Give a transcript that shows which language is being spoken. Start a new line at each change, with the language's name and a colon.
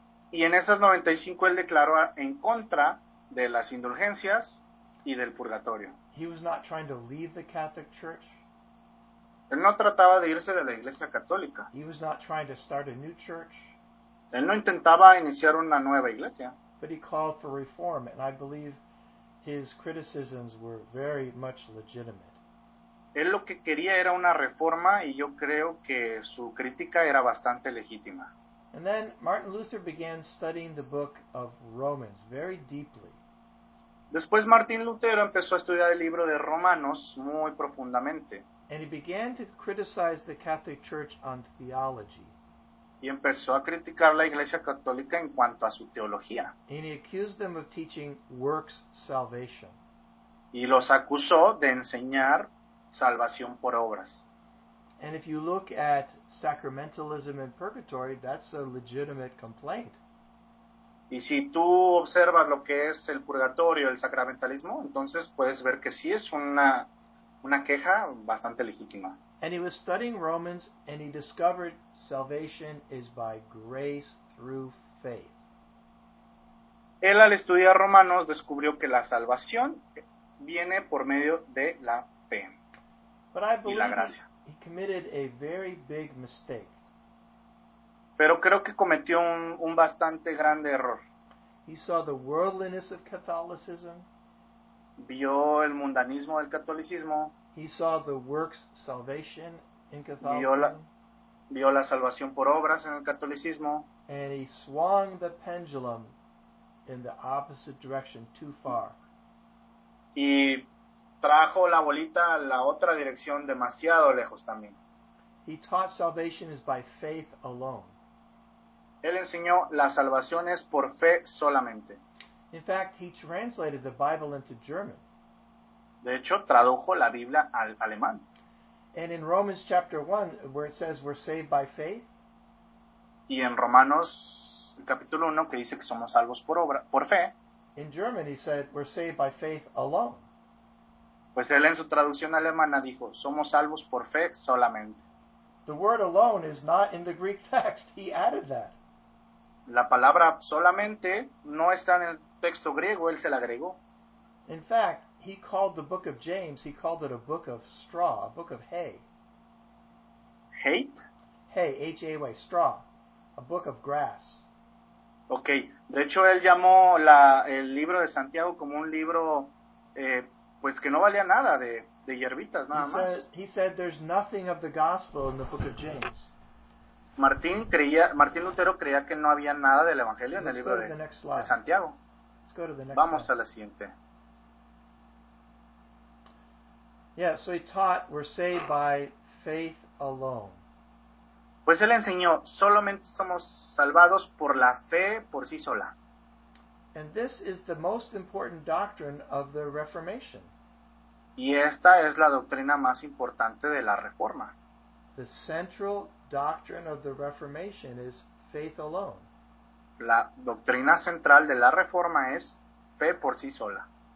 Spanish: Y en esas 95 él declaró en contra de las indulgencias y del purgatorio.
English: He was not trying to leave the Catholic Church.
Spanish: Él no trataba de irse de la Iglesia Católica.
English: He was not trying to start a new church.
Spanish: Él no intentaba iniciar una nueva iglesia.
English: But he called for reform, and I believe his criticisms were very much legitimate.
Spanish: Él lo que quería era una reforma, y yo creo que su crítica era bastante legítima.
English: And then Martin Luther began studying the book of Romans very deeply.
Spanish: Después Martin Lutero empezó a estudiar el libro de Romanos muy profundamente.
English: And he began to criticize the Catholic Church on theology.
Spanish: Y empezó a criticar la Iglesia Católica en cuanto a su teología.
English: And he accused them of teaching works salvation.
Spanish: Y los acusó de enseñar salvación por obras.
English: And if you look at sacramentalism and purgatory, that's a legitimate complaint.
Spanish: Y si tú observas lo que es el purgatorio, el sacramentalismo, entonces puedes ver que sí es una queja bastante legítima.
English: And he was studying Romans, and he discovered salvation is by grace through faith.
Spanish: Él al estudiar Romanos descubrió que la salvación viene por medio de la fe y la gracia.
English: He committed a very big mistake.
Spanish: Pero creo que cometió un bastante grande error.
English: He saw the worldliness of Catholicism.
Spanish: Vio el mundanismo del catolicismo.
English: He saw the works salvation in Catholicism.
Spanish: Vio la salvación por obras en el catolicismo.
English: And he swung the pendulum in the opposite direction too far.
Spanish: Y trajo la bolita a la otra dirección demasiado lejos también.
English: He taught salvation is by faith alone.
Spanish: Él enseñó la salvación es por fe solamente.
English: In fact, he translated the Bible into German.
Spanish: De hecho, tradujo la Biblia al alemán.
English: And in Romans chapter 1, where it says we're saved by faith.
Spanish: Y en Romanos capítulo 1, que dice que somos salvos por obra, por fe.
English: In German, he said we're saved by faith alone.
Spanish: Pues él en su traducción alemana dijo, somos salvos por fe solamente.
English: The word alone is not in the Greek text. He added that.
Spanish: La palabra solamente no está en el texto griego. Él se la agregó.
English: In fact, he called the book of James, he called it a book of straw, a book of hay. Hate? Hay, H-A-Y, straw, a book of grass. Okay.
Spanish: De hecho, él llamó el libro de Santiago como un libro... pues que no valía nada de hierbitas, nada más.
English: He said there's nothing of the gospel in the book of James.
Spanish: Martín Lutero creía que no había nada del evangelio en el libro de Santiago.
English: Let's go to the next
Spanish: Vamos
English: slide.
Spanish: A la siguiente.
English: Yeah, so he taught we're saved by faith alone.
Spanish: Pues él enseñó solamente somos salvados por la fe por sí sola.
English: And this is the most important doctrine of the Reformation.
Spanish: Y esta es la doctrina más importante de la Reforma.
English: The central doctrine of the Reformation is faith alone.
Spanish: La doctrina central de la Reforma es fe por sí sola.